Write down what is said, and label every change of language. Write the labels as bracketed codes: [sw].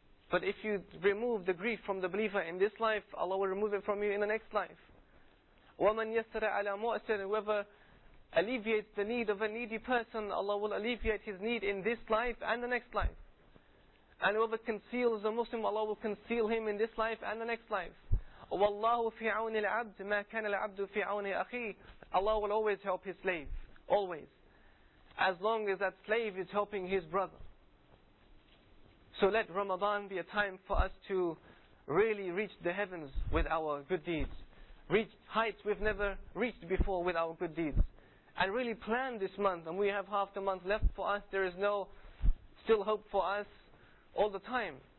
[en] But if you remove the grief from the believer in this life, Allah will remove it from you in the next life. وَمَنْ يَسْرَ عَلَى مُؤْسِرٍ Whoever alleviates the need of a needy person, Allah will alleviate his need in this life and the next life. And whoever conceals a Muslim, Allah will conceal him in this life and the next life. [ar] وَاللَّهُ فِي عَوْنِ الْعَبْدِ مَا كَانَ الْعَبْدُ فِي عَوْنِ أَخِيهِ Allah will always help his slave, always. [en] As long as that slave is helping his brother. So let Ramadan be a time for us to really reach the heavens with our good deeds. Reach heights we've never reached before with our good deeds. And really plan this month. And we have half the month left for us. There is no still hope for us all the time.